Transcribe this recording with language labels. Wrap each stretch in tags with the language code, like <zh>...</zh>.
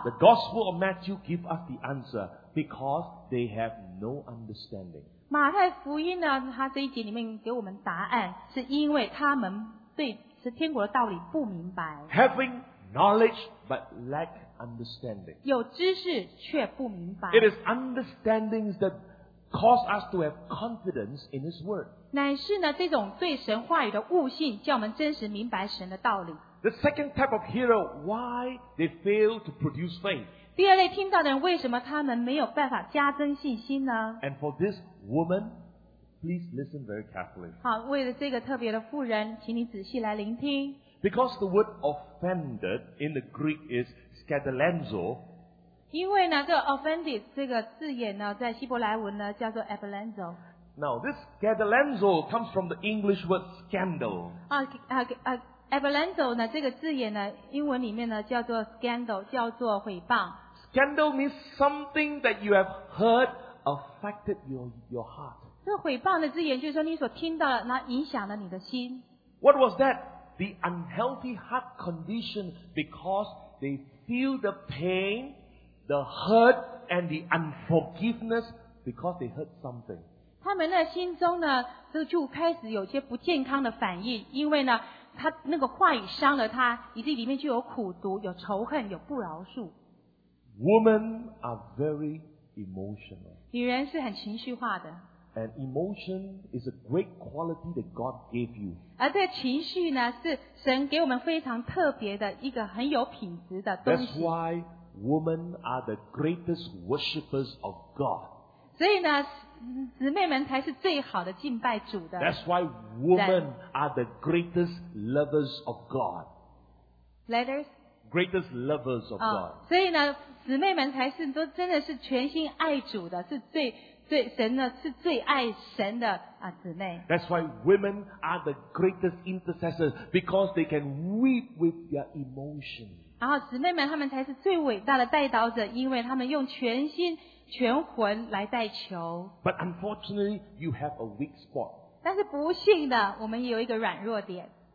<en>The Gospel of Matthew gives us the answer, because they have no understanding.</en> <zh>马太福音呢, 他这一节里面给我们答案, 是因为他们对天国的道理不明白。</zh> <en>Having knowledge but lack understanding.</en> <zh>有知识却不明白。</zh> <en>It is understandings that cause us to have confidence in His Word.</en> <zh>乃是呢, 这种对神话语的悟性, 叫我们真实明白神的道理。</zh> <en>The second type of hearer, why they fail to produce faith?</en> <zh>第二类听到的人, 为什么他们没有办法加增信心呢?</zh> <en>And for this woman, please listen very carefully.</en> <zh>好, 为了这个特别的妇人, 请你仔细来聆听。</zh> <en>Because the word offended in the Greek is scandalizo.</en> <zh>因为呢, 这个offended, 这个字眼呢, 在希伯来文呢, 叫做epilenzo。</zh> <en>Now, this scandalizo comes from the English word scandal.</en> <zh>Epilenzo呢, 这个字眼呢, 英文里面呢, 叫做scandal, 叫做毁谤。</zh> <en>Scandal means something that you have heard affected your heart.</en> <zh>这毁谤的字眼, 就是说你所听到的, 然后影响了你的心。</zh> <en>What was that? The unhealthy heart condition, because they feel the pain, the hurt, and the unforgiveness because they hurt something.</en> <zh>他们那心中呢, 就开始有些不健康的反应, 因为呢, 他那个话语伤了他, 以及里面就有苦毒, 有仇恨, 有不饶恕。</zh> <en>Women are very emotional.</en> <zh>女人是很情绪化的。</zh> <en>And emotion is a great quality that God gave you.</en> <zh>而这情绪呢, 是神给我们非常特别的一个, 很有品质的东西。</zh> <en>That's why women are the greatest worshippers of God.</en> <zh>所以呢, 姊妹们才是最好的敬拜主的。</zh> <en>That's why women are the greatest lovers of God. Letters? Greatest lovers of God.</en> <zh>所以呢, 姊妹们才是都真的是全心爱主的, 是最, 对神呢是最爱神的, 啊,</zh> <en>That's why women are the greatest intercessors, because they can weep with their emotions.</en> <zh>然后姊妹们他们才是最伟大的代祷者, 因为他们用全心, 全魂来代求。</zh> <en>But unfortunately, you have a weak spot.</en> <zh>但是不幸的, 我们有一个软弱点。</zh>